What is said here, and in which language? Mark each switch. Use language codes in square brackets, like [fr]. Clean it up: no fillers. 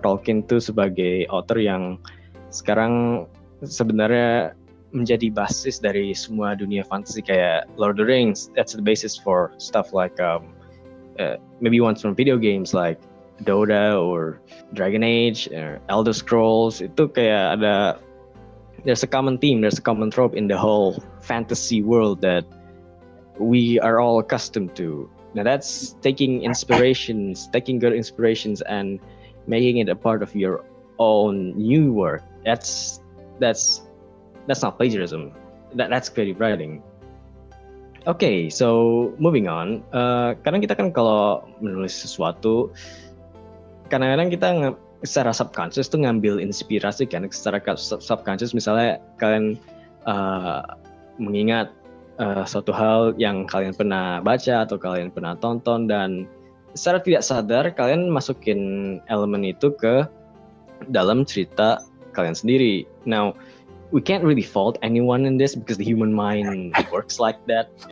[id] Tolkien tuh sebagai author yang sekarang sebenarnya menjadi basis dari semua dunia fantasi kayak Lord of the Rings. [en] That's the basis for stuff like maybe ones from video games like Dota or Dragon Age or Elder Scrolls. [id] Itu kayak ada, [en] there's a common theme, there's a common trope in the whole fantasy world that we are all accustomed to. Now that's taking good inspirations and making it a part of your own new work. That's not plagiarism. That's creative writing. Okay, so moving on. [id] Kadang kita kan kalau menulis sesuatu, kadang-kadang kita secara subconscious tuh ngambil inspirasi kan. Secara subconscious misalnya kalian mengingat suatu hal yang kalian pernah baca atau kalian pernah tonton, dan secara tidak sadar kalian masukin elemen itu ke dalam cerita kalian sendiri. [en] Now, we can't really fault anyone in this because the human mind works like that.